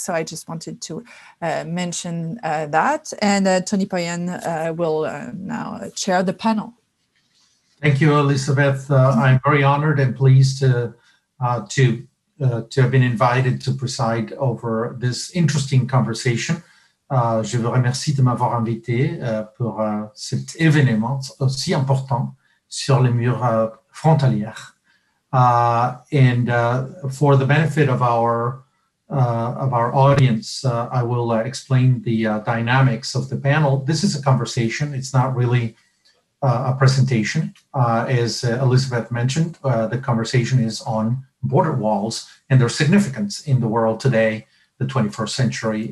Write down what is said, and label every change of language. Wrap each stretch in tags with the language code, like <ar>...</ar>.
<en>So I just wanted to mention that. And Tony Payan will now chair the panel. Thank you, Elizabeth. I'm very honored and pleased to have been invited to preside over this interesting conversation.</en> <fr>Je vous remercie de m'avoir invité pour cet événement aussi important sur les murs frontalières.</fr> <en>And for the benefit of our audience, I will explain the dynamics of the panel. This is a conversation. It's not really a presentation. As Elizabeth mentioned, the conversation is on border walls and their significance in the world today, the 21st century.</en>